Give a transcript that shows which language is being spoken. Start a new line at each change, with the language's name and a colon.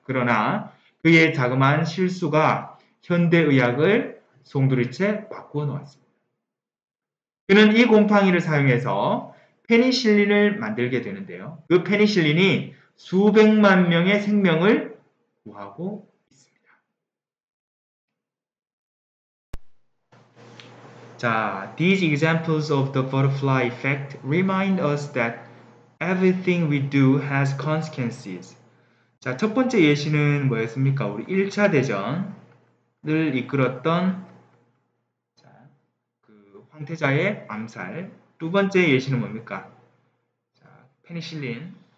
Korean: 그러나 그의 자그마한 실수가 현대의학을 송두리째 바꾸어 놓았습니다. 그는 이 곰팡이를 사용해서 페니실린을 만들게 되는데요. 그 페니실린이 수백만 명의 생명을 구하고 있습니다.
English: 자, these examples of the butterfly effect remind us that everything we do has consequences.
Korean: 자, 첫 번째 예시는 뭐였습니까? 우리 1차 대전을 이끌었던 황태자의 암살. 두 번째 예시는 뭡니까? 자, 페니실린.